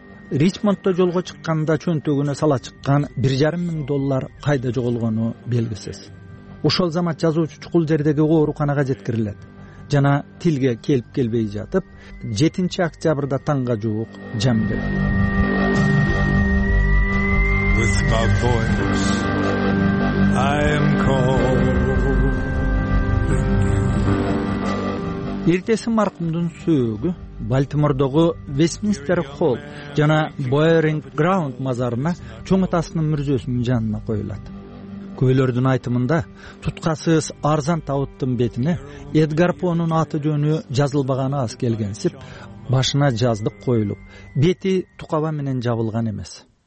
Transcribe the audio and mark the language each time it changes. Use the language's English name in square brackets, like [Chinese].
[Kyrgyz] Ричмондто жолго чыкканда чөнтөгүнө сала чыккан 1,5 000 доллар кайда жоголгону белгисиз. Ошол замат жазуучу чукул жердеги ооруканага жеткирилет жана тилге келип келбей жатып 7 октябрда таңга жуук жан берет. [English] With my voice, I am calling you. [Kyrgyz] Эртеси маркумдун сөөгү Балтимордогу Вестминстер Холл жана Боеринг Граунд мазарына чоң атасынын мүрзөсүнүн жанына коюлат. Күбөлөрдүн айтымында туткасыз арзан табыттын бетине Эдгар Понун аты жөнү жазылбаганы аз келгенсип, башына жаздык коюлуп, бети тукаба менен жабылган эмес.